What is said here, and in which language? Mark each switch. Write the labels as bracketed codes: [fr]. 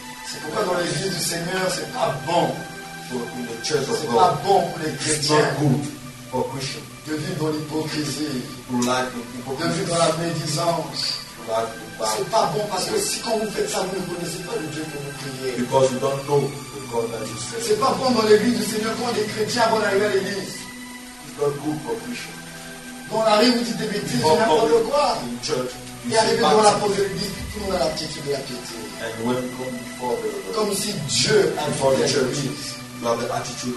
[fr] C'est pourquoi dans les yeux du Seigneur, c'est pas bon. [en] For in the church of [fr] c'est [en] God, [fr] pas bon pour les chrétiens. [en] It's not good for Christians. [fr] De vivre dans l'hypocrisie, pour l'hypocrisie, de vivre dans la médisance, c'est pas bon parce que si quand vous faites ça, vous ne connaissez pas le Dieu que vous priez. [en] Because you don't know the God that you serve. [fr] C'est pas bon dans l'église du Seigneur quand on est chrétien avant d'arriver à l'église. [en] It's not good for Christians. [fr] Quand on arrive, vous dites des bêtises, n'importe quoi. [en] In church, [fr] et arriver devant la pauvre église, tout le monde a l'aptitude et la piété. [en] And when you come before the [fr] comme si Dieu avait l'attitude. Attitude.